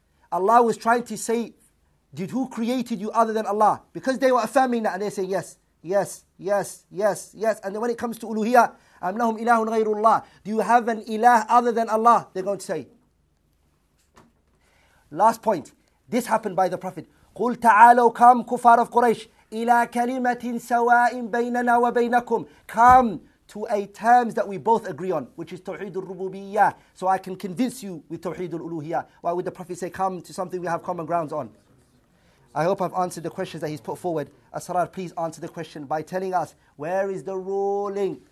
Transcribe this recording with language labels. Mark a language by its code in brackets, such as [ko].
[en] Allah was trying to say, did who created you other than Allah? Because they were affirming that, and they say yes, yes, yes, yes, yes. And then when it comes to uluhiyyah, [ar] أَمْ لَهُمْ إِلَهٌ غَيْرُ اللَّهِ. [en] Do you have an ilah other than Allah? They're going to say. Last point. This happened by the Prophet. [ar] قُلْ تَعَالَوْ كَمْ كُفَّارُ [en] of Quraysh. [ar] إِلَىٰ كَلِمَةٍ سَوَاءٍ بَيْنَنَا وَبَيْنَكُمْ. [en] Come to a terms that we both agree on, which is Tawheed al-Rububiyyah, so I can convince you with Tawheed al-Uluhiyyah. Why would the Prophet say, come to something we have common grounds on? I hope I've answered the questions that he's put forward. As-Sarar, please answer the question by telling us, where is the ruling?